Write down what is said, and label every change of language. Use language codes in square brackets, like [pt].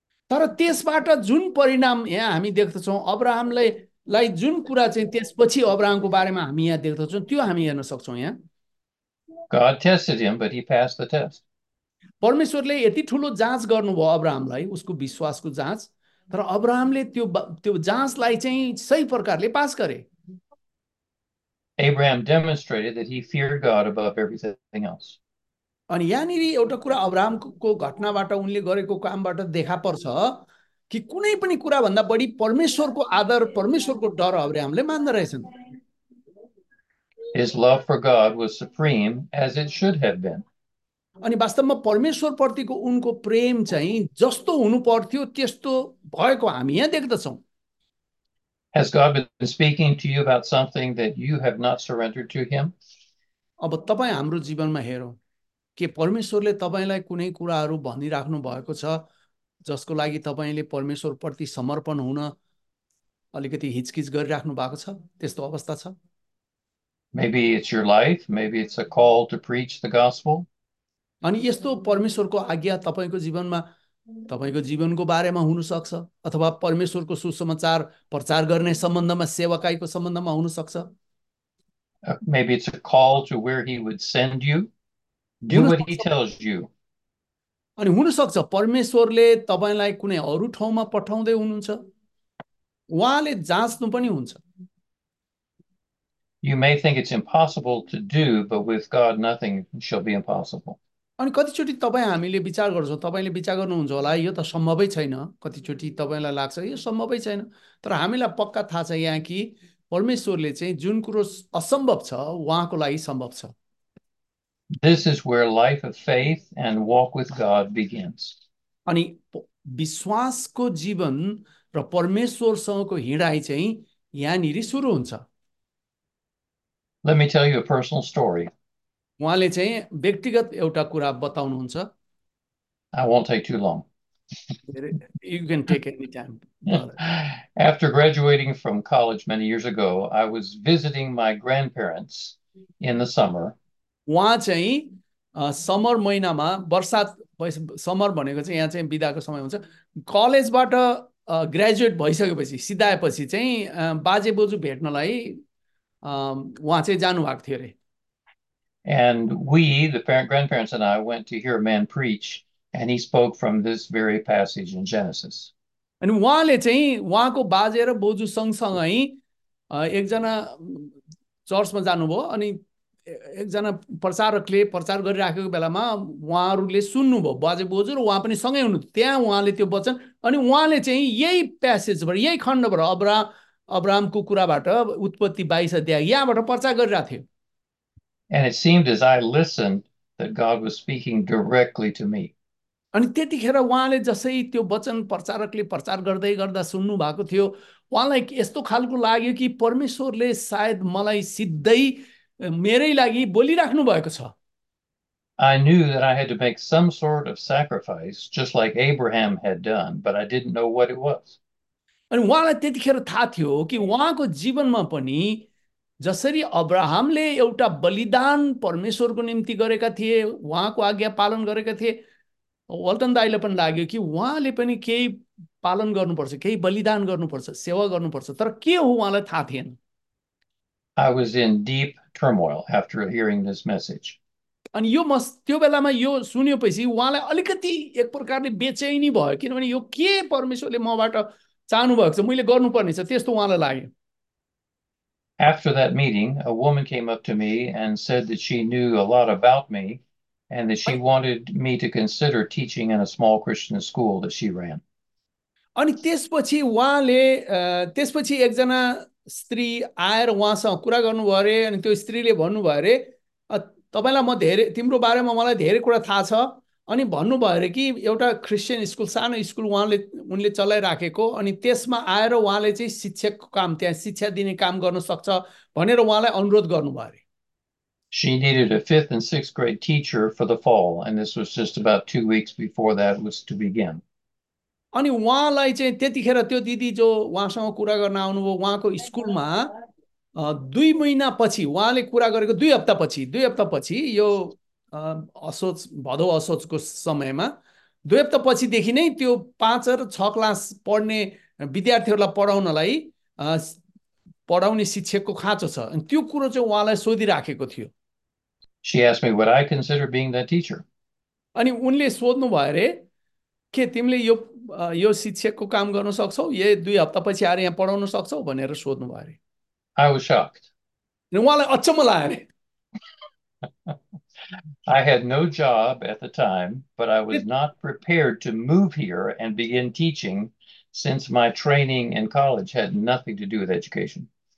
[ne] तर त्यसबाट जुन परिणाम यहाँ हामी देख्दछौँ अब्राहमलाई जुन कुरा चाहिँ त्यसपछि अब्राहमको बारेमा हामी यहाँ देख्दछौँ त्यो हामी हेर्न सक्छौँ यहाँ. [en] God tested him, but he passed the test. [ne] परमेश्वरले यति ठुलो जाँच गर्नुभयो अब्राहमलाई, उसको विश्वासको जाँच, तर अब्राहमले त्यो त्यो जाँचलाई चाहिँ सही प्रकारले पास गरे. [en] Abraham demonstrated that he feared God above everything else. [ne] अनि यहाँनिर एउटा कुरा अब्राहमको घटनाबाट उनले गरेको कामबाट देखा पर्छ कि कुनै पनि कुराभन्दा बढी परमेश्वरको आदर परमेश्वरको डर अब्राहमले मान्द रहेछन्. [en] His love for God was supreme, as it should have been. [ne] अनि वास्तवमा परमेश्वर प्रतिको उनको प्रेम चाहिँ जस्तो हुनु पर्थ्यो त्यस्तो भएको हामी यहाँ देख्दछौँ. [en] Has God been speaking to you about something that you have not surrendered to Him? [ne] अब तपाईँ हाम्रो जीवनमा हेरौँ के परमेश्वरले तपाईँलाई कुनै कुराहरू भनिराख्नु भएको छ जसको लागि तपाईँले परमेश्वरप्रति समर्पण हुन अलिकति हिचकिच गरिराख्नु भएको छ, त्यस्तो अवस्था छ? [en] Maybe it's your life, maybe it's a call to preach the gospel. [ne] अनि यस्तो परमेश्वरको आज्ञा तपाईँको जीवनमा तपाईँको जीवनको बारेमा हुनसक्छ, अथवा परमेश्वरको सुसमाचार प्रचार गर्ने सम्बन्धमा सेवकाईको सम्बन्धमा हुनसक्छ. [en] Maybe it's a call to where he would send you. Do what he tells you. [ne] अनि हुनसक्छ परमेश्वरले तपाईँलाई कुनै अरू ठाउँमा पठाउँदै हुनुहुन्छ, उहाँले जाँच्नु पनि हुन्छ. [en] You may think it's impossible to do, but with God, nothing shall be impossible. [ne] अनि कतिचोटि तपाईँ हामीले विचार गर्छौँ, तपाईँले विचार गर्नुहुन्छ होला यो त सम्भवै छैन, कतिचोटि तपाईँलाई लाग्छ यो सम्भवै छैन, तर हामीलाई पक्का थाहा छ यहाँ कि परमेश्वरले चाहिँ जुन कुरो असम्भव छ उहाँको लागि सम्भव छ. [en] This is where life of faith and walk with God begins. [ne] अनि विश्वासको जीवन र परमेश्वरसँगको हिँडाइ चाहिँ यहाँनिर सुरु हुन्छ. [en] Let me tell you a personal story. [ne] उहाँले चाहिँ व्यक्तिगत एउटा कुरा बताउनुहुन्छ. [en] I won't take too long. You can take any time, brother. After graduating from college many years ago, I was visiting my grandparents in the summer. [ne] उहाँ चाहिँ summer महिनामा बर्सात भइस समर भनेको चाहिँ यहाँ चाहिँ बिदाको समय हुन्छ. कलेजबाट ग्रेजुएट भइसकेपछि सिधाएपछि चाहिँ बाजे बोजू भेट्नलाई उहाँ चाहिँ जानुभएको थियो अरे. [en] And we, the parent, grandparents and I, went to hear a man preach, and he spoke from this very passage in Genesis. [ne] अनि उहाँले चाहिँ उहाँको बाजे र बोजू सँगसँगै एकजना चर्चमा जानुभयो अनि एकजना प्रचारकले प्रचार गरिराखेको बेलामा उहाँहरूले सुन्नुभयो बाजे बोजू र उहाँ पनि सँगै हुनुहुन्थ्यो त्यहाँ उहाँले त्यो वचन अनि उहाँले चाहिँ यही प्यासेजबाट यही खण्डबाट अब्राहमको कुराबाट उत्पत्ति 22 अध्याय यहाँबाट प्रचार गरिरहेको थियो. [en] And it seemed as I listened that God was speaking directly to me. [ne] अनि त्यतिखेर उहाँले जसै त्यो वचन प्रचारकले प्रचार गर्दै गर्दा सुन्नु भएको थियो उहाँलाई यस्तो खालको लाग्यो कि परमेश्वरले सायद मलाई सिधै मेरै लागि बोलिराख्नु भएको छ. [en] I knew that I had to make some sort of sacrifice, just like Abraham had done, but I didn't know what it was. [ne] अनि उहाँलाई त्यतिखेर थाहा थियो कि उहाँको जीवनमा पनि जसरी अब्राहमले एउटा बलिदान परमेश्वरको निम्ति गरेका थिए उहाँको आज्ञा पालन गरेका थिए वल्टन दाईले पनि लाग्यो कि उहाँले पनि केही पालन गर्नुपर्छ केही बलिदान गर्नुपर्छ सेवा गर्नुपर्छ तर के हो उहाँलाई थाहा थिएन. [en] I was in deep turmoil after hearing this message. [ne] अनि यो मस त्यो बेलामा यो सुनेपछि उहाँलाई अलिकति एक प्रकारले बेचैनी भयो किनभने यो के परमेश्वरले मबाट चाहनुभएको छ मैले गर्नुपर्ने छ त्यस्तो उहाँलाई लाग्यो. [en] After that meeting, a woman came up to me and said that she knew a lot about me and that she wanted me to consider teaching in a small Christian school that she ran. [ne] अनि त्यसपछि उहाँले त्यसपछि एकजना स्त्री आएर उहाँसँग कुरा गर्नुभयो अरे अनि त्यो स्त्रीले भन्नुभयो अरे तपाईँलाई म धेरै तिम्रो बारेमा मलाई धेरै कुरा थाहा छ अनि भन्नुभयो अरे कि एउटा क्रिस्चियन स्कुल सानो स्कुल उहाँले उनले चलाइराखेको अनि त्यसमा आएर उहाँले चाहिँ शिक्षकको काम त्यहाँ शिक्षा दिने काम गर्न सक्छ भनेर उहाँलाई अनुरोध गर्नुभयो अरे. [en] She needed a fifth and sixth grade teacher for the fall, and this was just about 2 weeks before that was to begin. [ne] अनि उहाँलाई चाहिँ त्यतिखेर त्यो दिदी जो उहाँसँग कुरा गर्न आउनुभयो उहाँको स्कुलमा 2 महिनापछि उहाँले कुरा गरेको दुई हप्तापछि यो असोज भदौ असोजको समयमा 2 हप्तापछिदेखि नै त्यो 5 र 6 क्लास पढ्ने विद्यार्थीहरूलाई पढाउनलाई पढाउने शिक्षकको खाँचो छ अनि त्यो कुरो चाहिँ उहाँलाई सोधिराखेको थियो. [en] She asked me what I consider being that teacher. [ne] अनि उनले सोध्नुभयो अरे के तिमीले यो यो शिक्षकको काम गर्न सक्छौ ये 2 हप्तापछि आएर यहाँ पढाउन सक्छौ भनेर सोध्नु भयो अरे. [en] I was shocked. [ne] उहाँलाई अचम्म लाग्यो अरे. [en] I had no job at the time, but I was not prepared to move here and begin teaching since my training in college had nothing to do with education.